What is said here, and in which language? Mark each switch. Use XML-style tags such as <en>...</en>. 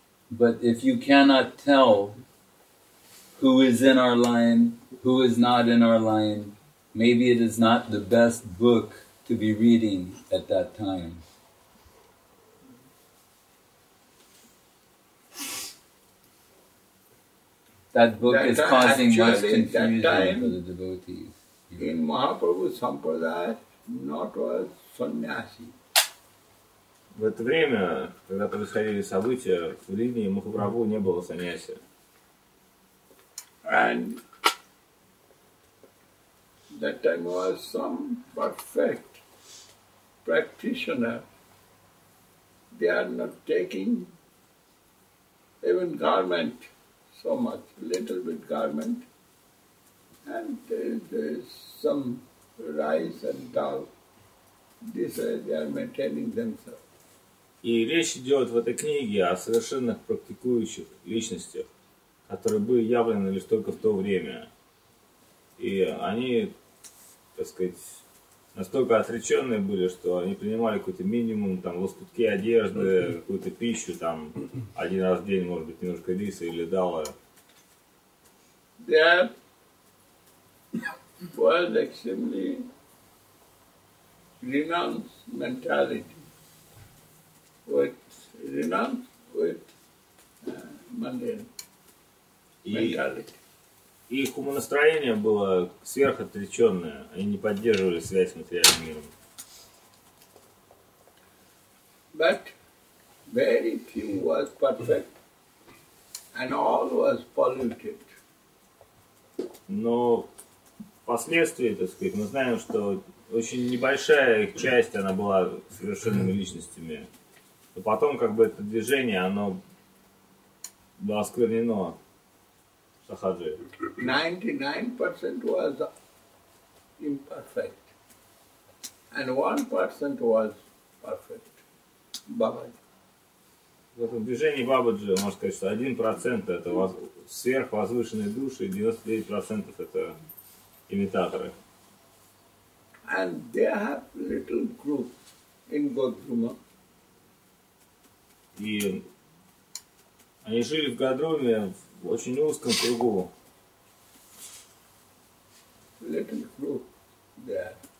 <en>But if you cannot tell who is in our line, who is not in our line, maybe it is not the best book to be reading at that time. That book that is causing much confusion time, for the devotees. In Mahaprabhu Sampradaya, not was sannyasi.</en> <ru>В это время, когда происходили события, в линии Махапрабху не было саньяси.</ru> <en>And that time was some perfect practitioner. They are not taking even garment. So much, little bit garment, and there's some rice and dal. This way they are maintaining themselves.</en> <ru>И речь идет в этой книге о совершенных практикующих личностях, которые были явлены лишь только в то время. И они, так сказать, настолько отреченные были, что они принимали какой-то минимум, там, лоскутки одежды, какую-то пищу, там, один раз в день, может быть, немножко риса или дала.</ru> <en>that was extremely renounced mentality. With renounced with mundane mentality.</en> <ru>Их умонастроение было сверхотреченное, они не поддерживали связь с материальным миром.</ru> <en>But very few was perfect, and all was polluted.</en> <ru>Но впоследствии, так сказать, мы знаем, что очень небольшая их часть, она была совершенными личностями. Но потом, как бы, это движение, оно было осквернено.</ru> <en>99% was imperfect, and 1% was perfect.</en> <ru>Бабаджи. В этом движении Бабаджи можно сказать, что 1% это сверхвозвышенные души, 99% это имитаторы.</ru> <en>And they have little group in Godruma.</en> <ru>И они жили в Годруме. В очень узком кругу.</ru> <en>Little group there.</en>